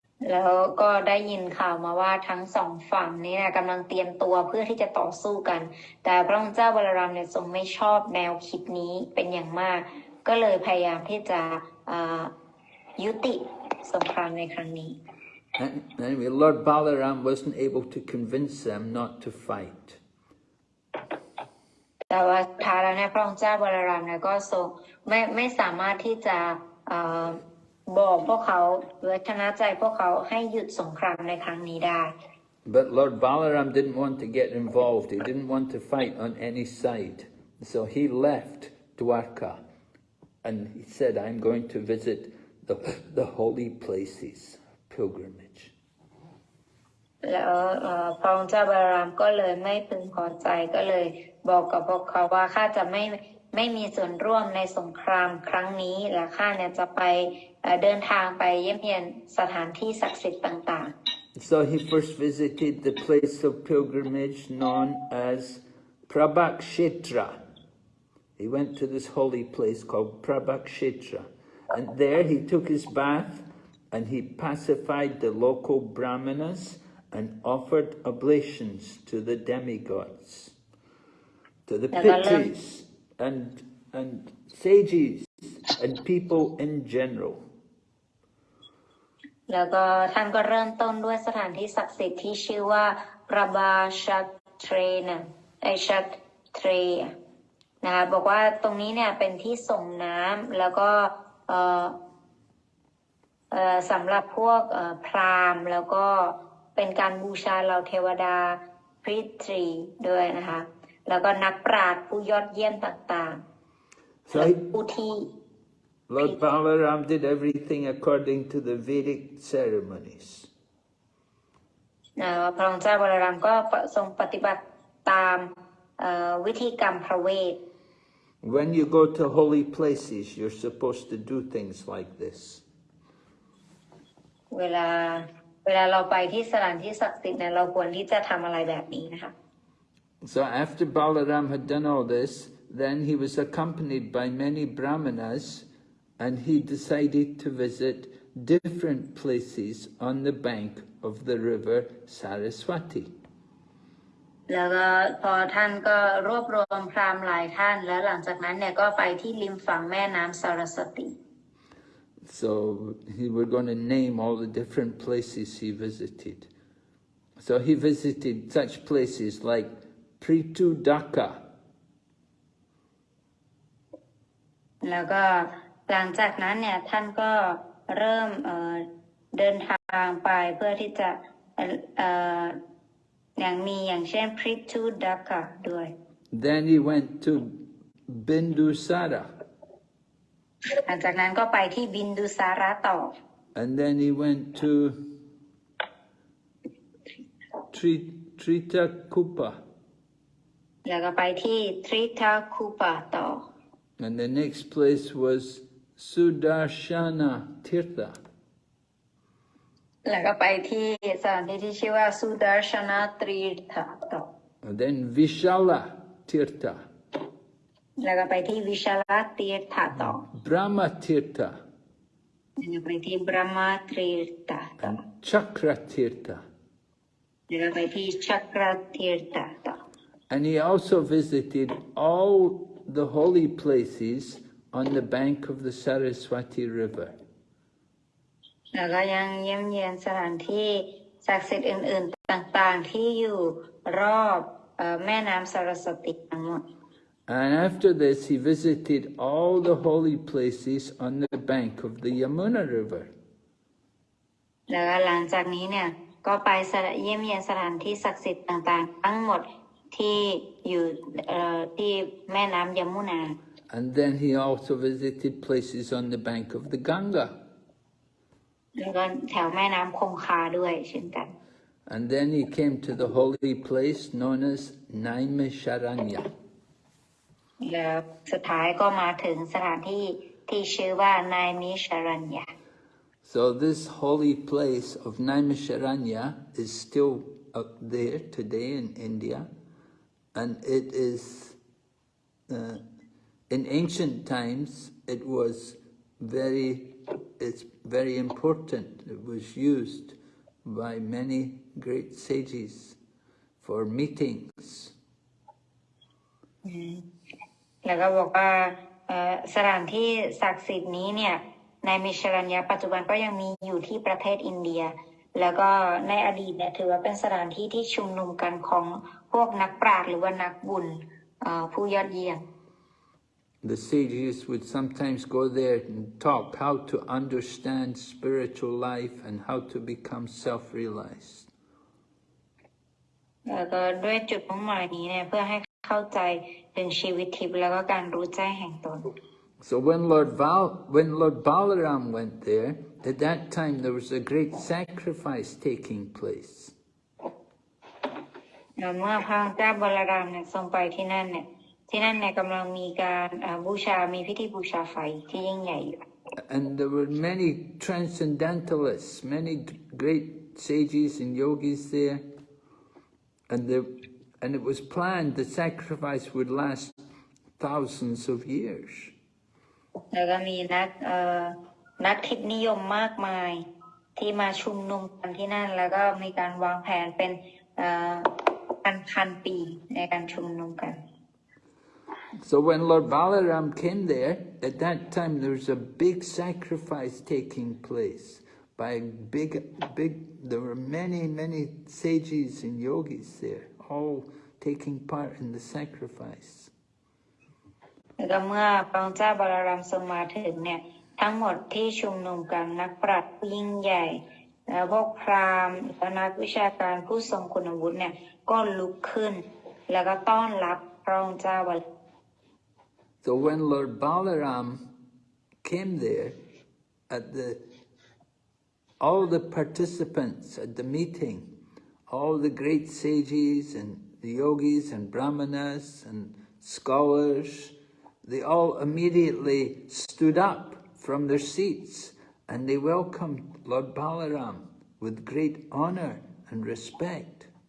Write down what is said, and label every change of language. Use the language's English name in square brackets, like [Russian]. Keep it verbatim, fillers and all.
[Thai] แล้วก็ได้ยินข่าวมาว่าทั้งสองฝั่งนี้นะกำลังเตรียมตัวเพื่อที่จะต่อสู้กัน แต่พระองค์เจ้าบาลรัมเนี่ยทรงไม่ชอบแนวคิดนี้เป็นอย่างมาก ก็เลยพยายามที่จะอ่ายุติสงครามในครั้งนี้ [English] And anyway, Lord Balaram wasn't able to convince them not to fight. [Thai] แต่ว่าสุดท้ายแล้วเนี่ยพระองค์เจ้าบาลารามเนี่ยก็ทรงไม่ไม่สามารถที่จะเอ่อบอกพวกเขาหรือชนะใจพวกเขาให้หยุดสงครามในครั้งนี้ได้ [English] But Lord Balaram didn't want to get involved. He didn't want to fight on any side. So he left Dwarka and he said, I'm going to visit the, the holy places, pilgrimage. [Thai] แล้วเอ่อพระองค์เจ้าบาลารามก็เลยไม่พึงพอใจก็เลยบอกกับพวกเขาว่าข้าจะไม่ไม่มีส่วนร่วมในสงครามครั้งนี้และข้าเนี่ยจะไปเอ่อเดินทางไปเยี่ยมเยียนสถานที่ศักดิ์สิทธิ์ต่าง [English] So he first visited the place of pilgrimage known as Prabhakshetra. He went to this holy place called Prabhakshetra. And there he took his bath and he pacified the local brahmanas and offered oblations to the demigods, to the Daga lang. pitris and, and sages and people in general. [Thai] ๆ แล้วก็ท่านก็เริ่มต้นด้วยสถานที่ศักดิ์สิทธิ์ที่ชื่อว่าประบาชัตเทรนะไอชัตเทรนะคะบอกว่าตรงนี้เนี่ยเป็นที่ส่งน้ำแล้วก็เอ่อ เอ่อสำหรับพวกเอ่อพราหมณ์แล้วก็เป็นการบูชาเหล่าเทวดาพริตรีด้วยนะคะ แล้วก็นักปราชญ์ผู้ยอดเยี่ยมต่าง ๆ [English] So [Thai] และ [English] he [Thai] ผู้ที่ [English] Lord Balaram did everything according to the Vedic ceremonies. [Thai] เอ่อพระองค์เจ้าบาลารามก็ทรงปฏิบัติตามเอ่อวิธีกรรมพระเวท [English] When you go to holy places, you're supposed to do things like this. [Thai] เวลาเวลาเราไปที่สถานที่ศักดิ์สิทธิ์เนี่ยเราควรที่จะทำอะไรแบบนี้นะคะ [English] So after Balaram had done all this, then he was accompanied by many brahmanas and he decided to visit different places on the bank of the river Saraswati. [Thai] แล้วก็พอท่านก็รวบรวมพราหมณ์หลายท่าน แล้วหลังจากนั้นเนี่ยก็ไปที่ริมฝั่งแม่น้ำสารสติ [English] So he were going to name all the different places he visited. So he visited such places like Pritudaka. [Thai] แล้วก็หลังจากนั้นเนี่ยท่านก็เริ่มเอ่อเดินทางไปเพื่อที่จะเอ่อเอ่ออย่างมีอย่างเช่นพริทูดักกะด้วย [English] Then he went to Bindusara. [Thai] หลังจากนั้นก็ไปที่บินดูสาระต่อ [English] And then he went to Tri- Tritakupa. [Thai] แล้วก็ไปที่ทริทาคูปะต่อ [English] And the next place was Sudarshana Tirtha. [Thai] แล้วก็ไปที่สถานที่ที่ชื่อว่าสุดาชนาตรีทะต่อ [English] And then Vishala Tirtha. [Thai] แล้วก็ไปที่วิชาลเตียถะต่อ [English] Brahma Tirtha. [Thai] แล้วก็ไปที่บรหมาตรีตะต่อ [English] And Chakra Tirtha. [Thai] แล้วก็ไปที่ชักราเตียตะต่อ [English] And he also visited all the holy places on the bank of the Saraswati River. [Thai] แล้วก็ยังเยี่ยมเยียนสถานที่ศักดิ์สิทธิ์อื่นๆต่างๆที่อยู่รอบเอ่อแม่น้ำสารสติทั้งหมด [English] And after this, he visited all the holy places on the bank of the Yamuna River. [Thai] แล้วก็หลังจากนี้เนี่ยก็ไปสถานเยี่ยมเยียนสถานที่ศักดิ์สิทธิ์ต่างๆ ทั้งหมดที่อยู่เอ่อที่แม่น้ำยมุนา [English] And then he also visited places on the bank of the Ganga. [Thai] แล้วก็แถวแม่น้ำคงคาด้วยเช่นกัน [English] And then he came to the holy place known as Naimisharanya. [Thai] แล้วสุดท้ายก็มาถึงสถานที่ที่ชื่อว่านายมิชรัญญา [English] So this holy place of Naimisharanya is still up there today in India, and it is, uh, in ancient times, it was very, it's very important. It was used by many great sages for meetings. [Thai] แล้วก็บอกว่าเอ่อสถานที่ศักดิ์สิทธิ์นี้เนี่ยนายมิชรัญญาปัจจุบันก็ยังมีอยู่ที่ประเทศอินเดีย แล้วก็ในอดีตเนี่ยถือว่าเป็นสถานที่ที่ชุมนุมกันของพวกนักปราชญ์หรือว่านักบุญ เอ่อผู้ยอดเยี่ยม [English] The sages would sometimes go there and talk how to understand spiritual life and how to become self-realized. [Thai] แล้วก็ด้วยจุดมุ่งหมายนี้เนี่ยเพื่อให้เข้าใจถึงชีวิตทิพย์แล้วก็การรู้แจ้งแห่งตน [English] So when Lord, Val- when Lord Balaram went there, at that time there was a great sacrifice taking place. [Thai] เอ่อเมื่อพระองค์เจ้าบลารามเนี่ยทรงไปที่นั่นเนี่ยที่นั่นเนี่ยกำลังมีการเอ่อบูชา มีพิธีบูชาไฟที่ยิ่งใหญ่อยู่ [English] And there were many transcendentalists, many d- great sages and yogis there. And, the, and it was planned the sacrifice would last thousands of years. [Thai] แล้วก็มีนักเอ่อนักทิพนิยมมากมายที่มาชุมนุมกันที่นั่น แล้วก็มีการวางแผนเป็นเอ่อพันพันปีในการชุมนุมกัน [English] So when Lord Balaram came there, at that time there was a big sacrifice taking place. By a big, big, there were many, many sages and yogis there, all taking part in the sacrifice. [Thai] แล้วก็เมื่อพระองค์เจ้าบาลารามทรงมาถึงเนี่ยทั้งหมดที่ชุมนุมกันนักปราชญ์ผู้ยิ่งใหญ่และพวกพราหมณ์และนักวิชาการผู้ทรงคุณวุฒิเนี่ยก็ลุกขึ้น แล้วก็ต้อนรับพระองค์เจ้าบาล [English] So when Lord Balaram came there, at the all the participants at the meeting, all the great sages and the yogis and brahmanas and scholars, they all immediately stood up from their seats and they welcomed Lord Balaram with great honor and respect.